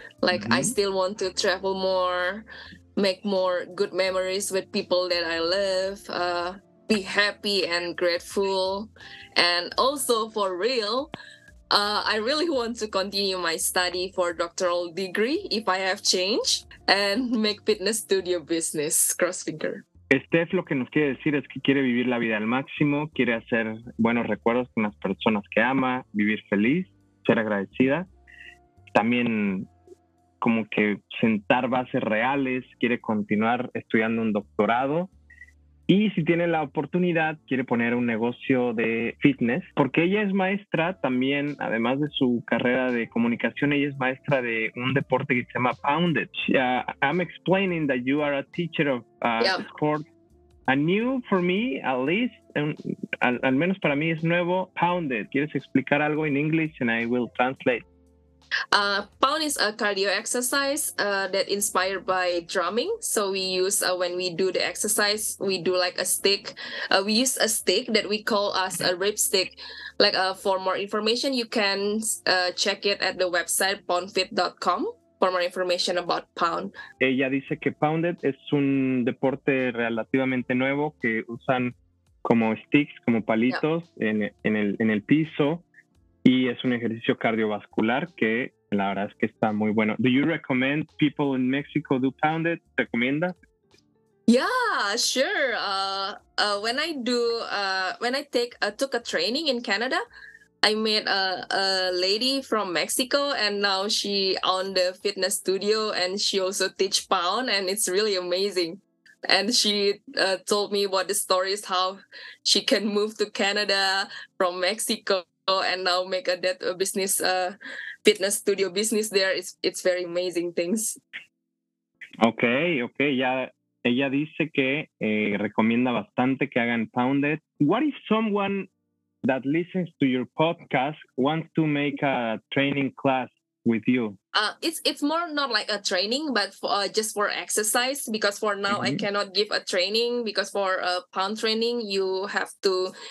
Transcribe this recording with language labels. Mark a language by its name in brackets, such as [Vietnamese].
[English] Like, mm-hmm. I still want to travel more, make more good memories with people that I love, be happy and grateful. And also, for real, I really want to continue my study for doctoral degree if I have change and make fitness studio business, cross finger. [Spanish] Steph lo que nos quiere decir es que quiere vivir la vida al máximo, quiere hacer buenos recuerdos con las personas que ama, vivir feliz, ser agradecida. También como que sentar bases reales, quiere continuar estudiando un doctorado. Y si tiene la oportunidad, quiere poner un negocio de fitness, porque ella es maestra también, además de su carrera de comunicación, ella es maestra de un deporte que se llama poundage. [English] I'm explaining that you are a teacher of sport. A new for me, at least, [Spanish] al menos para mí es nuevo, poundage. ¿Quieres explicar algo en inglés? [English] And I will translate. Pound is a cardio exercise that inspired by drumming. So we use when we do the exercise, we do like a stick. We use a stick that we call as a rib stick. Like for more information, you can check it at the website poundfit.com for more information about pound. [Spanish] Ella dice que pounded es un deporte relativamente nuevo que usan como sticks, como palitos en el piso. Y es un ejercicio cardiovascular que la verdad es que está muy bueno. [English] Do you recommend people in Mexico do pounded? [Spanish] ¿Te recomienda? [English] Yeah, sure. When I took a training in Canada, I met a lady from Mexico and now she owned the fitness studio and she also teach pound and it's really amazing. And she told me about the stories how she can move to Canada from Mexico. Oh, and now make fitness studio business there. It's very amazing things. Okay. [Spanish] Ella dice que recomienda bastante que hagan pounded. [English] What if someone that listens to your podcast wants to make a training class with you? It's more not like a training, but just for exercise. Because for now, mm-hmm. I cannot give a training because for a pound training, you have to.